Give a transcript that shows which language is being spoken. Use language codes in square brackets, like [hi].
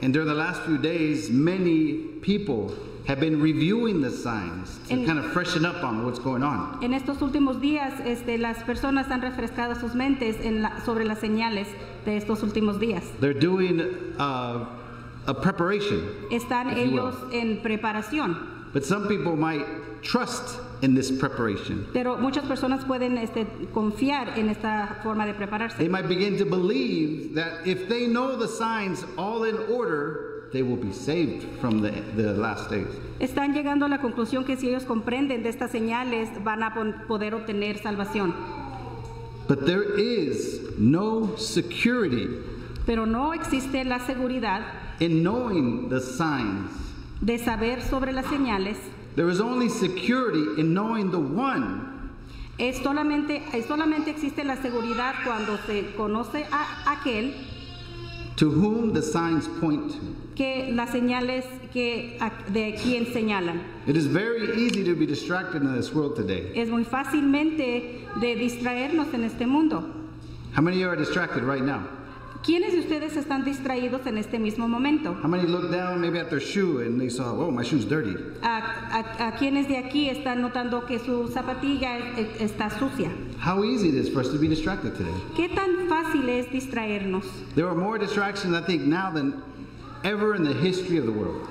[en] And during the last few days, many people have been reviewing the signs to kind of freshen up on what's going on. [es] En estos últimos días, las personas han refrescado sus mentes sobre las señales de estos últimos días. [en] They're doing a preparation. [es] Están ellos en preparación. [en] But some people might trust in this preparation. [es] Pero muchas personas pueden confiar en esta forma de prepararse. [en] They might begin to believe that if they know the signs all in order, they will be saved from the last days. [es] Están llegando a la conclusión que si ellos comprenden de estas señales, van a poder obtener salvación. [en] But there is no security. [es] Pero no existe la seguridad [en] in knowing the signs. [es] De saber sobre las señales. [en] There is only security in knowing the one. [es] Solamente existe la seguridad cuando se conoce a aquel. [en] To whom the signs point to. [es] Que las señales de quién señalan. [en] It is very easy to be distracted in this world today. [es] Es muy fácilmente de distraernos en este mundo. [en] How many of you are distracted right now? [es] ¿Quiénes de ustedes están distraídos en este mismo momento? [en] How many looked down maybe at their shoe and they saw, "Oh, my shoe's dirty." [es] ¿A quiénes de aquí están notando que su zapatilla está sucia? [en] How easy it is for us to be distracted today. [es] ¿Qué tan fácil es distraernos? [en] There are more distractions, I think, now than ever in the history of the world.